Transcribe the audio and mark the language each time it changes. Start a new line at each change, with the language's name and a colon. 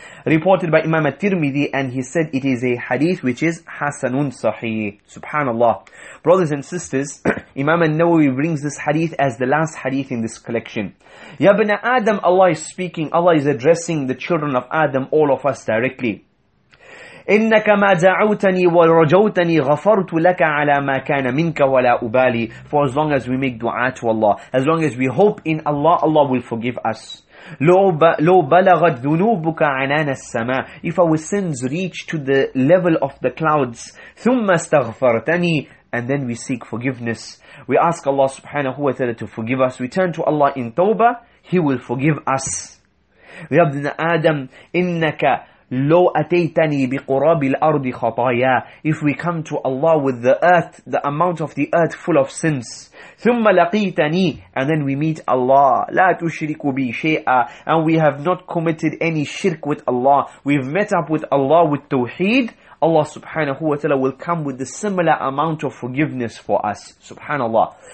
English: Reported by Imam At-Tirmidhi, and he said it is a hadith which is Hasanun Sahih. Subhanallah. Brothers and sisters, Imam An-Nawawi brings this hadith as the last hadith in this collection.
Arabic: Ya Bna Adam,
English: Allah is speaking, Allah is addressing the children of Adam, all of us directly.
Arabic: إنك ما دعوتني ورجوتني غفرت لك على ما كان منك ولا أبالي.
English: For as long as we make dua to Allah, as long as we hope in Allah, Allah will forgive us.
Arabic: لو بلغت ذنوبك عنان السماء.
English: If our sins reach to the level of the clouds,
Arabic: ثم استغفرتني.
English: And then we seek forgiveness. We ask Allah subhanahu wa ta'ala to forgive us. We turn to Allah in tawbah, He will forgive us.
Arabic: يا ابن آدم إنك لو أتيتني بقراب الأرض خطايا.
English: If we come to Allah with the earth, the amount of the earth full of sins.
Arabic: ثم لقيتني,
English: and then we meet Allah.
Arabic: لا تشرك بي شيئا,
English: and we have not committed any shirk with Allah. We've met up with Allah with tawheed. Allah subhanahu wa ta'ala will come with the similar amount of forgiveness for us. Subhanallah.